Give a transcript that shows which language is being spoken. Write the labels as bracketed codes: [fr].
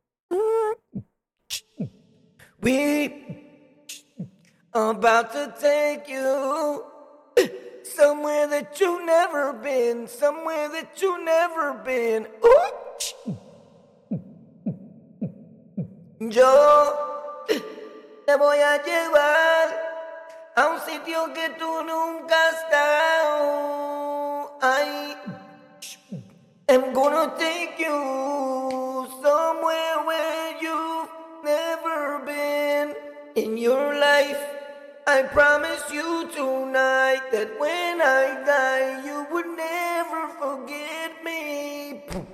[en] We're about to take you somewhere that you've never been. Ooh. [es] Yo te voy a llevar a un sitio que tú nunca has estado. [en] I am gonna take you somewhere where you've never been in your life. I promise you tonight that when I die, you would never forget me.